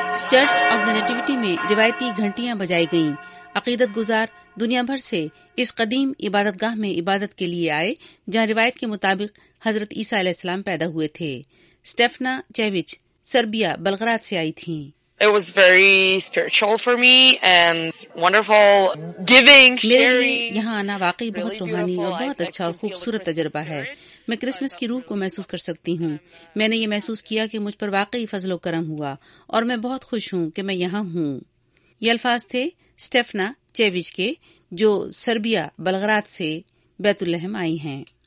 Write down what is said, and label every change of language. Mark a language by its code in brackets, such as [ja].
[ur] Church of the نیٹیوٹی میں روایتی گھنٹیاں بجائی گئیں. عقیدت گزار دنیا بھر سے اس قدیم عبادت گاہ میں عبادت کے لیے آئے، جہاں روایت کے مطابق حضرت عیسیٰ علیہ السلام پیدا ہوئے تھے. سٹیفنا چیوچ سربیا بلغراد سے آئی تھیں. [en] It was very spiritual for me and wonderful giving, sharing. [ur] میرے یہاں آنا واقعی بہت روحانی اور بہت اچھا اور خوبصورت تجربہ ہے. میں کرسمس کی روح کو محسوس کر سکتی ہوں. میں نے یہ محسوس کیا کہ مجھ پر واقعی فضل و کرم ہوا اور میں بہت خوش ہوں کہ میں یہاں ہوں. یہ الفاظ تھے سٹیفنا چیوچ کے، جو سربیا بلغراد سے بیت الحم آئی ہیں.